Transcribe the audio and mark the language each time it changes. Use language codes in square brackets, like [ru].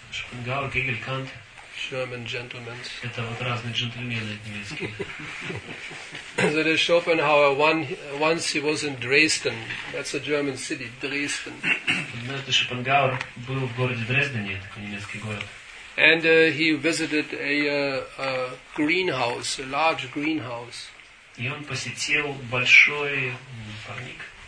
[ru] Шопенгауэр, Гегель, Кант. [en] German gentlemen's. [ru] Это вот разные джентльмены немецкие. [en] So Schopenhauer once he was in Dresden. That's a German city, Dresden. [ru] Однажды Шопенгауэр был в городе Дрездене, это немецкий город. [en] And he visited a greenhouse, a large greenhouse. [ru] И он посетил большой парник.